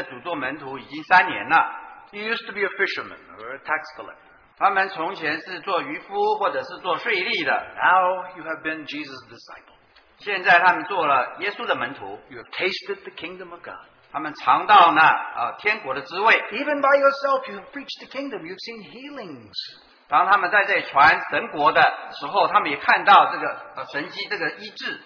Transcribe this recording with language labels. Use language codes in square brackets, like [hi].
[zh] 你可以想象,这些人,他们跟着主做门徒已经3年了。 [en] You used to be a fisherman or a tax collector. [zh] 他们从前是做渔夫或者是做税吏的, [en] now you have been Jesus' disciple. [zh] 现在他们做了耶稣的门徒, [en] you have tasted the kingdom of God. [zh] 他们尝到那天国的滋味, [en] even by yourself you have preached the kingdom, you've seen healings. [zh] 当他们在这里传神国的时候, 他们也看到这个神迹, 这个医治,